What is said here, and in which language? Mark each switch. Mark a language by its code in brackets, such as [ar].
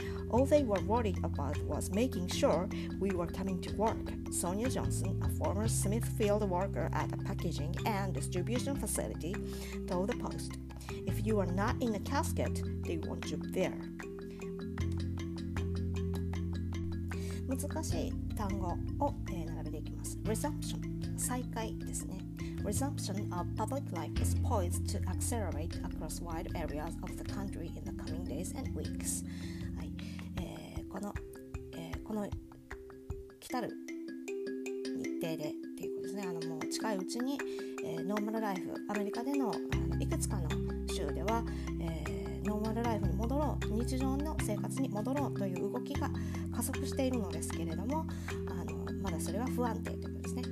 [en] All they were worried about was making sure we were coming to work, Sonia Johnson, a former Smithfield worker at a packaging and distribution facility, told the Post. If you are not in a casket, they want you there. [ja] 難しい単語を並べていきます。 Resumption 再開ですね。 [en] Resumption of public life is poised to accelerate across wide areas of the country in the coming days and weeks. [ja] はい、この来たる日程でっていうことですね。もう近いうちに、ノーマルライフ、アメリカでの、いくつかの州では、ノーマルライフに戻ろう、日常の生活に戻ろうという動きが加速しているのですけれども、まだそれは不安定ということですね。